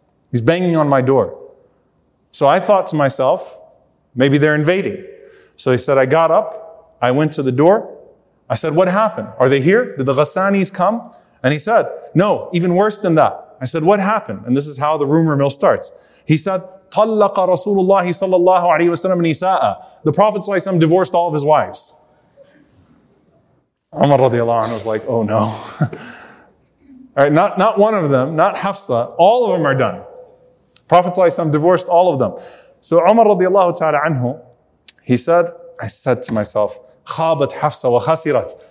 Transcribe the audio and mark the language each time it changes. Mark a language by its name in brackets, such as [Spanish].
[English] He's banging on my door. So I thought to myself, maybe they're invading. So he said, I got up, I went to the door, I said, what happened? Are they here? Did the Ghassanis come? And he said, no, even worse than that. I said, what happened? And this is how the rumor mill starts. He said, [Arabic] طَلَّقَ رَسُولُ اللَّهِ صَلَّى اللَّهُ عَلَيْهِ وَسَلَّمَ نِسَاءَ. [English] The Prophet ﷺ divorced all of his wives. Umar radiallahu anhu was like, oh no. All right, not one of them, not Hafsa, all of them are done. Prophet ﷺ divorced all of them. So Umar radiallahu ta'ala anhu, he said, I said to myself, [Arabic] خَابَتْ Hafsa wa khasirat.